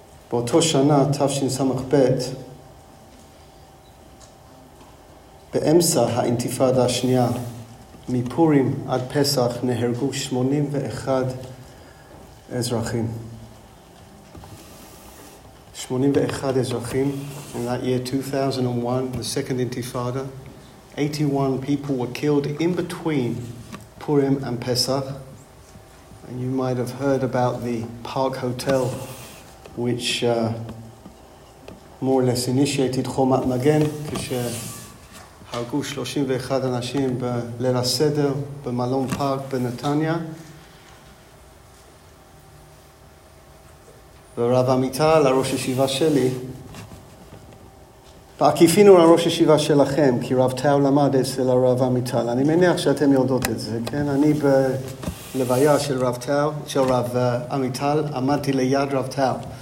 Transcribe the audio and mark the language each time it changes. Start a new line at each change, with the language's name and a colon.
Hebrew: באותו שנה, תפשין סמך ב', באמצע האינטיפאדה השנייה, מפורים עד פסח, נהרגו 81 אזרחים. 81 אזרחים,
English: in that year 2001, the second intifada, 81 people were killed in between Purim and Pesach. And you might have heard about the Park Hotel, which more or less initiated Chomat Magen,
Hebrew: כשהרגו 31 אנשים בליל הסדר במלון פארק בנתניה. ורב עמיטל, הראש ישיבה שלי, בעקיפין הוא הראש ישיבה שלכם, כי רב טאו למד אצל הרב עמיטל. אני מניח שאתם יודעות את זה, כן? אני בלוויה של רב טאו, של רב עמיטל, עמדתי ליד רב טאו.